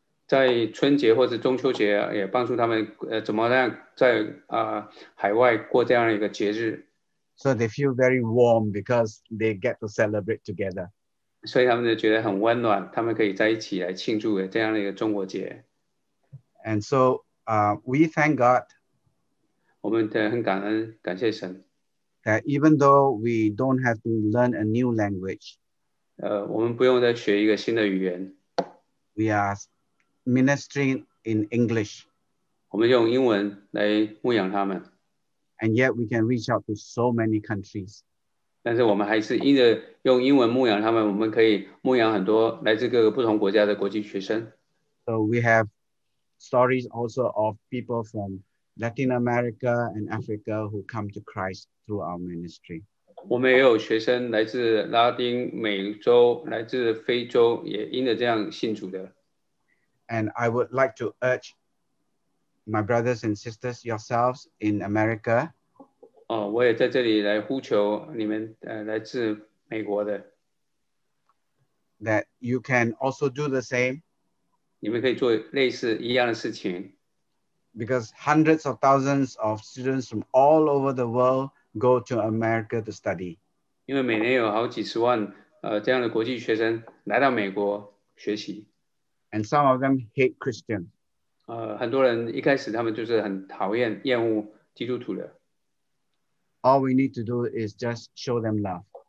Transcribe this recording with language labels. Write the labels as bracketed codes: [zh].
[zh] 在春节或者中秋节，也帮助他们怎么样在海外过这样一个节日。 [en] So they feel very warm because they get to celebrate together. [zh] 所以他们就觉得很温暖，他们可以在一起来庆祝这样的一个中国节。 [en] And so we thank God. [zh] 我们很感恩，感谢神。 [en] That even though we don't have to learn a new language. [zh] 我们不用再学一个新的语言。 [en] We ask. Ministering in English. [zh] 我们用英文来牧养他们。 [en] And yet we can reach out to so many countries. [zh] 但是我们还是因着用英文牧养他们, 我们可以牧养很多来自各个不同国家的国际学生。 [en] So we have stories also of people from Latin America and Africa who come to Christ through our ministry. [zh] 我们也有学生来自拉丁美洲, 来自非洲, 也因着这样信主的。 [en] And I would like to urge my brothers and sisters, yourselves in America. [zh] Oh, 我也在这里来呼求你们来自美国的。 [en] That you can also do the same. [zh] 你们可以做类似一样的事情。 [en] Because hundreds of thousands of students from all over the world go to America to study. [zh] 因为每年有好几十万这样的国际学生来到美国学习。 [en] And some of them hate Christians. [zh] 很多人一开始他们就是很讨厌、厌恶基督徒的。 [en] All we need to do is just show them love.